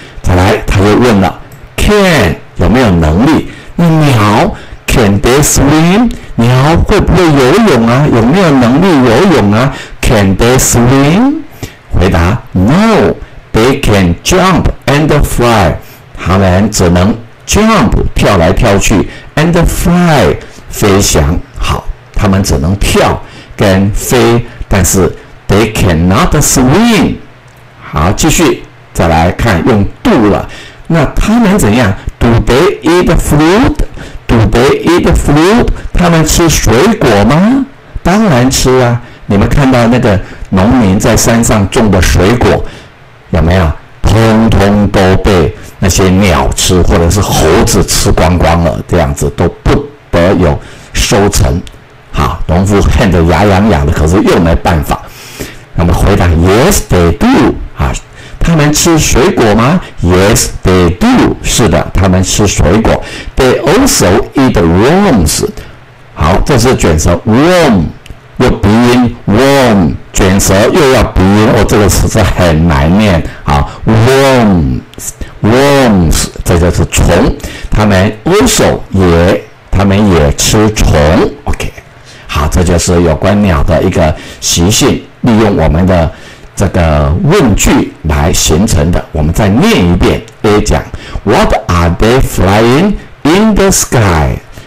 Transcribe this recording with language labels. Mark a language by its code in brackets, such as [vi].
[zh] 再来他又问了， Can 有没有能力，那鸟 [en] Can they swim， [zh] 鸟会不会游泳啊，有没有能力游泳啊？ [en] Can they swim？ [zh] 回答 [en] No， They can jump and fly， [zh] 他们只能 [en] jump [zh] 跳来跳去， [en] and fly [zh] 飞翔。好，他们只能跳跟飞，但是 [en] they cannot swim。 [zh] 好，继续再来看用 do 了，那他们怎样？ [en] Do they eat fruit? [zh] 他们吃水果吗？当然吃啊，你们看到那个农民在山上种的水果有没有，通通都被那些鸟吃或者是猴子吃光光了，这样子都不得有收成。好，农夫恨得牙痒痒的，可是又没办法。那么回答 [en] ，Yes, they do。 [zh] 啊，他们吃水果吗 ？ [en] Yes, they do。 [zh] 是的，他们吃水果。 [en] They also eat worms。 [zh] 好，这是卷舌 ，worm， 又鼻音 ，worm， 卷舌又要鼻音，哦，这个词是很难念。好 ，worms， 这就是虫。他们 also 也，他们也吃虫。 [en] OK。 [zh] 好，这就是有关鸟的一个习性，利用我们的这个问句来形成的。我们再念一遍 [en] A 讲， What are they flying in the sky?